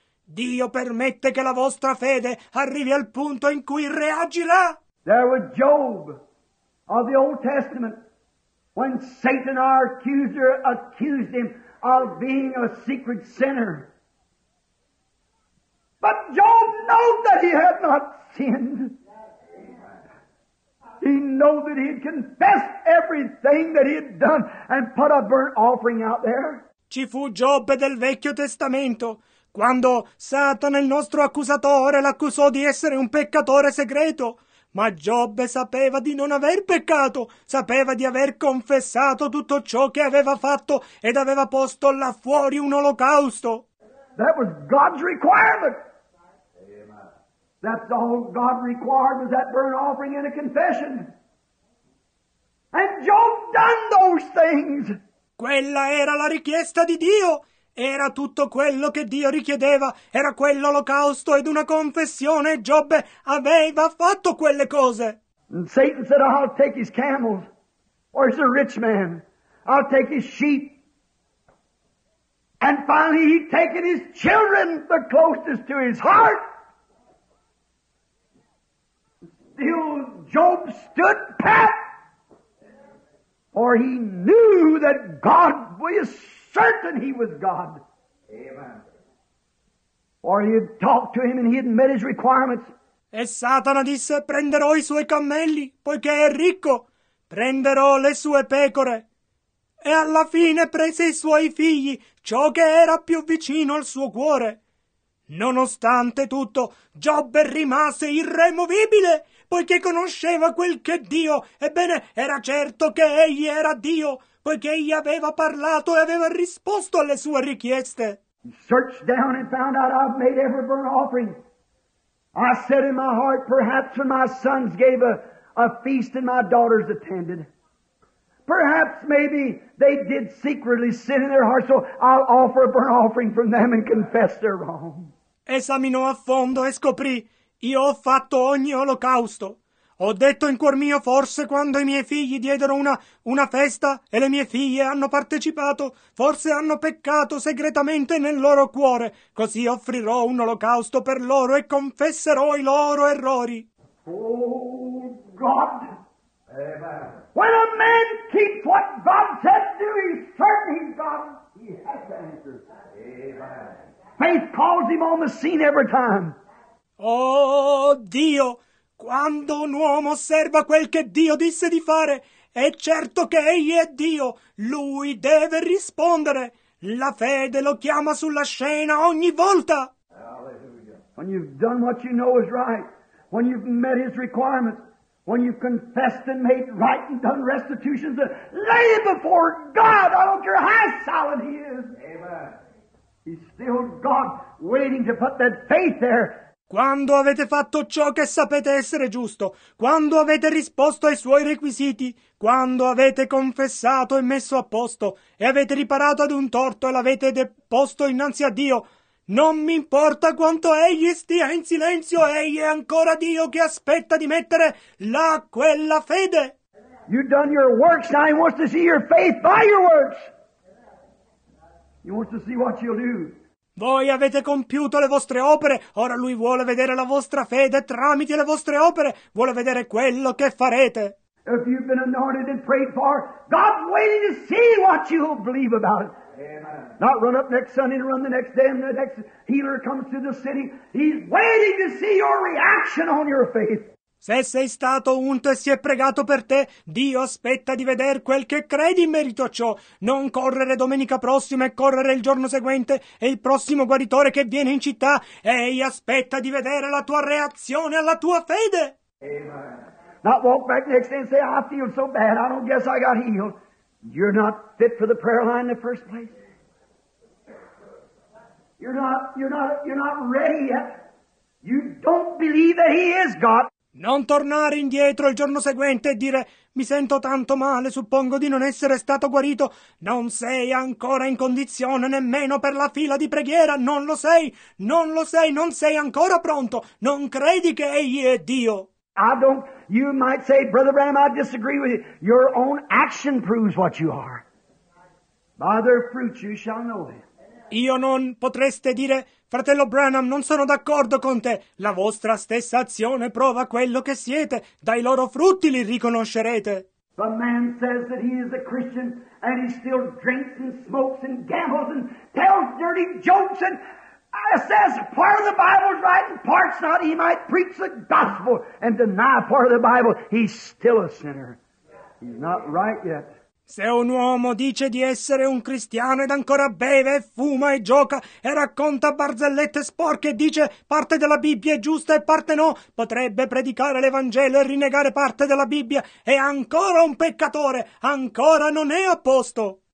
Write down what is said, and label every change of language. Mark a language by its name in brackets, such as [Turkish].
[Italian] Dio permette che la vostra fede arrivi al punto in cui reagirà. [English] There was Job of the Old Testament, when Satan, our accuser, accused him of being a secret sinner. But Job knew that he had not sinned. He knew that he had confessed everything that he had done and put a burnt offering out there. [Italian] Ci fu Giobbe del Vecchio Testamento. quando Satana, il nostro accusatore, l'accusò di essere un peccatore segreto. Ma Giobbe sapeva di non aver peccato, sapeva di aver confessato tutto ciò che aveva fatto ed aveva posto là fuori un olocausto. [English] That was God's requirement. That's all God required, was that burnt offering and a confession. And Job done those things. [Italian] Quella era la richiesta di Dio. Era tutto quello che Dio richiedeva. Era quell'olocausto ed una confessione. Giobbe aveva fatto quelle cose. [English] And Satan said, I'll take his camels. Or he's a rich man. I'll take his sheep. And finally he'd taken his children, the closest to his heart. Still Job stood pat. For he knew that God was certain he was God. Amen. For he had talked to him and he had met his requirements. [Italian] E Satana disse, prenderò i suoi cammelli, poiché è ricco. Prenderò le sue pecore. E alla fine prese i suoi figli, ciò che era più vicino al suo cuore. Nonostante tutto, Giobbe rimase irremovibile. Poiché conosceva quel che Dio, ebbene, era certo che egli era Dio, poiché egli aveva parlato e aveva risposto alle sue richieste. [English] He searched down and found out I've made every burnt offering. I said in my heart, perhaps when my sons gave a feast and my daughters attended. Perhaps maybe they did secretly sin in their hearts, so I'll offer a burnt offering from them and confess their wrong. [Italian] Esaminò a fondo e scoprì. Io ho fatto ogni olocausto. Ho detto in cuor mio, forse quando i miei figli diedero una festa e le mie figlie hanno partecipato, forse hanno peccato segretamente nel loro cuore. Così offrirò un olocausto per loro e confesserò i loro errori. [English] Oh, God! Amen. When a man keeps what God said to him, he's certain he's God. He has to answer. Amen. Faith calls him on the scene every time. [Italian] Oh Dio, quando un uomo osserva quel che Dio disse di fare, è certo che egli è Dio, lui deve rispondere. La fede lo chiama sulla scena ogni volta. [English] When you've done what you know is right, when you've met his requirements, when you've confessed and made right and done restitutions, lay it before God, I don't care how solid he is. Amen. He's still God waiting to put that faith there. [Italian] Quando avete fatto ciò che sapete essere giusto, quando avete risposto ai suoi requisiti, quando avete confessato e messo a posto e avete riparato ad un torto e l'avete deposto innanzi a Dio, non mi importa quanto egli stia in silenzio, egli è ancora Dio che aspetta di mettere là quella fede. [English] You've done your works, now he wants to see your faith by your works. He wants to see what you'll do. [Italian] Voi avete compiuto le vostre opere, ora lui vuole vedere la vostra fede tramite le vostre opere, vuole vedere quello che farete. [English] If you've been anointed and prayed for, God's waiting to see what you'll believe about it. Amen. Not run up next Sunday and run the next day and the next healer comes to the city. He's waiting to see your reaction on your faith. [Italian] Se sei stato unto e si è pregato per te, Dio aspetta di vedere quel che credi in merito a ciò. Non correre domenica prossima e correre il giorno seguente e il prossimo guaritore che viene in città. Egli aspetta di vedere la tua reazione alla tua fede. [English] Amen. Not walk back next day and say, I feel so bad, I don't guess I got healed. You're not fit for the prayer line in the first place. You're not ready yet. You don't believe that he is God. [Italian] Non tornare indietro il giorno seguente e dire mi sento tanto male, suppongo di non essere stato guarito. Non sei ancora in condizione nemmeno per la fila di preghiera. Non lo sei, non lo sei, non sei ancora pronto. Non credi che egli è Dio. [English] I don't, you might say, Brother Branham, I disagree with you. Your own action proves what you are. By their fruits you shall know them. [Italian] Io non potreste dire, fratello Branham, non sono d'accordo con te. La vostra stessa azione prova quello che siete. Dai loro frutti li riconoscerete. [English] The man says that he is a Christian and he still drinks and smokes and gambles and tells dirty jokes and says part of the Bible's right and part's not. He might preach the gospel and deny part of the Bible. He's still a sinner. He's not right yet. [Italian] Se un uomo dice di essere un cristiano ed ancora beve, fuma e gioca e racconta barzellette sporche e dice parte della Bibbia è giusta e parte no, potrebbe predicare l'Evangelo e rinnegare parte della Bibbia, è ancora un peccatore, ancora non è a posto.